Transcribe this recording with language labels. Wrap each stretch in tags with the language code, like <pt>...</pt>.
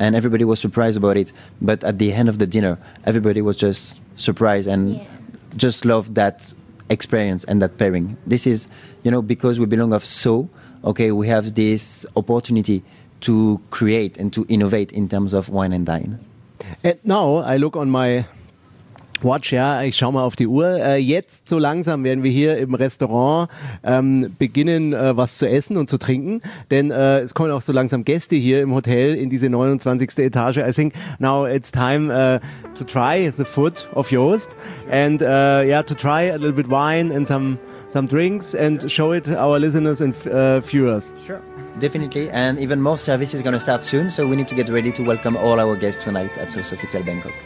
<en>And everybody was surprised about it. But at the end of the dinner, everybody was just surprised and just loved that experience and that pairing. This is, you know, because we belong of So, okay, we have this opportunity to create and to innovate in terms of wine and dine. And now I look on my watch,</en> <de>ja, ich schaue mal auf die Uhr. Jetzt so langsam werden wir hier im Restaurant beginnen, was zu essen und zu trinken. Denn es kommen auch so langsam Gäste hier im Hotel in diese 29. Etage.</de> <en>I think now it's time to try the food of Joost. And yeah, to try a little bit wine and some drinks and show it our listeners and viewers. Sure, definitely. And even more service is going to start soon, so we need to get ready to welcome all our guests tonight at Sofitel Bangkok.</en>